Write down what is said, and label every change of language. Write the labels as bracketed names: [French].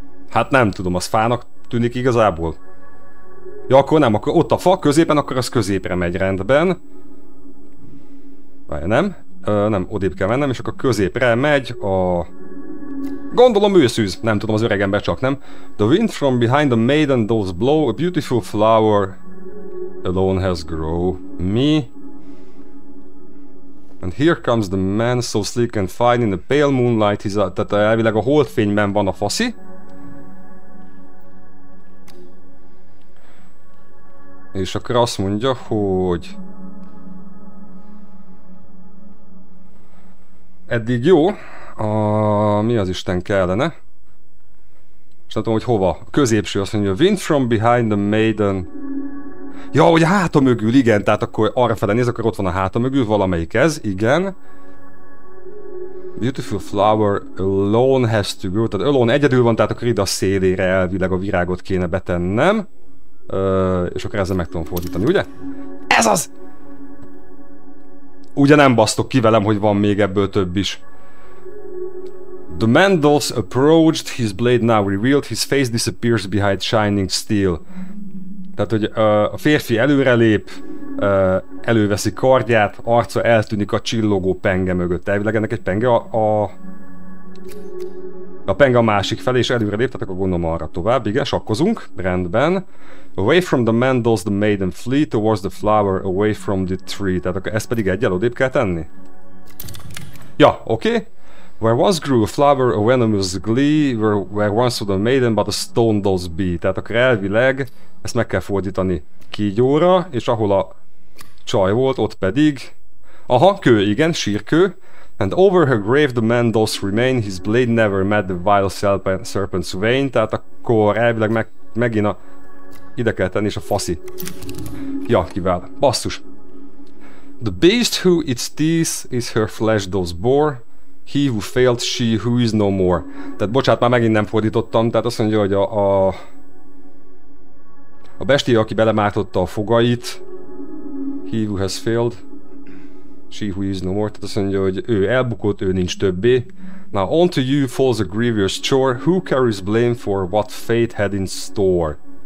[Hungarian] Hát nem tudom, az fának tűnik igazából. Ja, akkor nem, akkor ott a fa, középen, akkor az középre megy, rendben. Várj, nem. Nem, odébb kell mennem, és akkor középre megy a... Gondolom őszűz, nem tudom, az öreg ember csak, nem? [English] The wind from behind the maiden does blow, a beautiful flower alone has grown. Me. And here comes the man, so sleek and fine in the pale moonlight. He's a... [Hungarian] Tehát elvileg a holdfényben van a faszi. És akkor azt mondja, hogy... Eddig jó. A... Mi az Isten kellene? És nem tudom, hogy hova. A középső azt mondja, [English] wind from behind the maiden. [Hungarian] Ja, hogy a háta mögül, igen, tehát akkor arrafele nézek, akkor ott van a háta mögül, valamelyik ez, igen. [English] Beautiful flower alone has to go, [Hungarian] tehát [English] alone [Hungarian] egyedül van, tehát akkor ide a szélére elvileg a virágot kéne betennem. És akkor ezzel meg tudom fordítani, ugye? Ez az! Ugye nem basztok ki velem, hogy van még ebből több is. [English] The Mandals approached, his blade now revealed, his face disappears behind shining steel. [Hungarian] Tehát, hogy a férfi előrelép, előveszi kardját, arca eltűnik a csillogó penge mögött. Elvileg ennek egy penge a penge a másik felé, és előrelép, tehát akkor gondolom arra tovább. Igen, sakkozunk, rendben. [English] Away from the Mandals, the maiden flee towards the flower, away from the tree. [Hungarian] Tehát akkor ezt pedig egyel odébb kell tenni. Ja, oké. [English] Okay. Where once grew a flower, a venomous glee, where once stood a maiden, but a stone does be. [Hungarian] Tehát akkor elvileg ezt meg kell fordítani kígyóra, és ahol a csaj volt, ott pedig... Aha, kő, igen, sírkő. [English] And over her grave the man does remain, his blade never met the vile serpent's vein. [Hungarian] Tehát akkor elvileg megint a... ide kell tenni, és a faszi. Ja, kivel? Basszus. [English] The beast who its teeth is her flesh does bore. He who failed, she who is no more. [Hungarian] Tehát bocsánat, már megint nem fordítottam, tehát azt mondja, hogy a bestia, aki belemártotta a fogait, [English] he who has failed, she who is no more, [Hungarian] tehát azt mondja, hogy ő elbukott, ő nincs többé. [English] Now on to you falls a grievous chore, who carries blame for what fate had in store?